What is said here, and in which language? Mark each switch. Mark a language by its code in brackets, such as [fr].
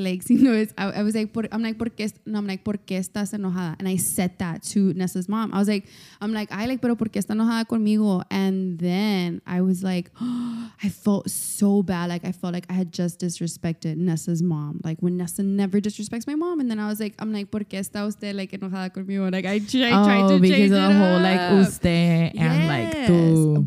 [es] Like, si no es, [en] I'm like, [es] por qué estás enojada? [en] And I said that to Nessa's mom. I'm like, [es] pero por qué está enojada conmigo? [en] And then I was like, I felt so bad. Like, I felt like I had just disrespected Nessa's mom. Like, when Nessa never disrespects my mom. And then I was like, [es] por qué está usted like enojada conmigo? [en] Like, I tried to change it. Oh, because of the whole, up. Like, usted and yes. Like, tú.